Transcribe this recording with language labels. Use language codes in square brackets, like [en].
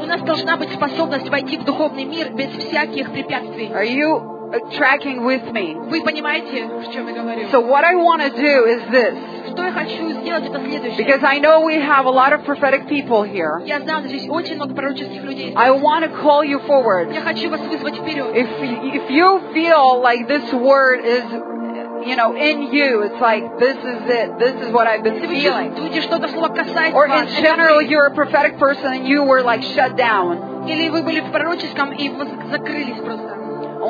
[ru] У нас должна быть способность войти в духовный мир без всяких препятствий. [en] Are you tracking with me? [ru] Вы понимаете, о чем я говорю? [en] So what I want to do is this. [ru] Что я хочу сделать это следующее. [en] Because I know we have a lot of prophetic people here. [ru] Я знаю, что здесь очень много пророческих людей. [en] I want to call you forward. [ru] Я хочу вас вызвать вперед. [en] If you feel like this word is, you know, in you, it's like, this is it. This is what I've been feeling. Or in general, you're a prophetic person and you were like shut down. I